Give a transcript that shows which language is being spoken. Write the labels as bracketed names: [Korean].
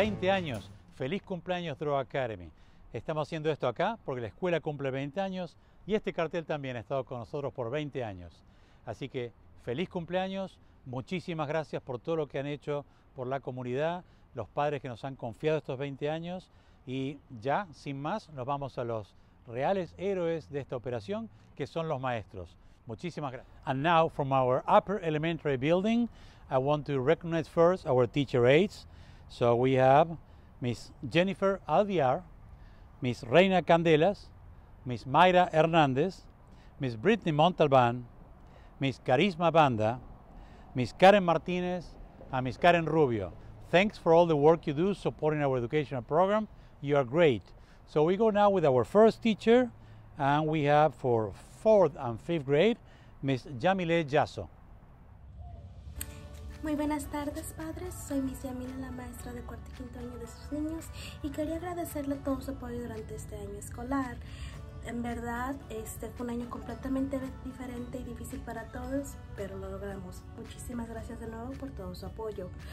[Spanish] Años. Feliz cumpleaños DRO Academy. Estamos haciendo esto acá porque la escuela cumple 20 años y este cartel también ha estado con nosotros por 20 años. Así que feliz cumpleaños, muchísimas gracias por todo lo que han hecho por la comunidad, los padres que nos han confiado estos 20 años y ya, sin más, nos vamos a los reales héroes de esta operación que son los maestros. Muchísimas gracias. [English] And now from our upper elementary building, I want to recognize first our teacher aides. So we have Miss Jennifer Alviar, Miss Reina Candelas, Miss Mayra Hernández, Miss Brittany Montalbán, Miss Carisma Banda, Miss Karen Martínez, and Miss Karen Rubio. Thanks for all the work you do supporting our educational program. You are great. So we go now with our first teacher, and we have for fourth and fifth grade, Miss Yamile Yasso. [Spanish] Muy buenas tardes, padres. Soy Miss Yamile, la maestra de cuarto y quinto año de sus niños, y quería agradecerle todo su apoyo durante este año escolar. En verdad, fue un año completamente diferente y difícil para todos, pero lo logramos. Muchísimas gracias de nuevo por todo su apoyo.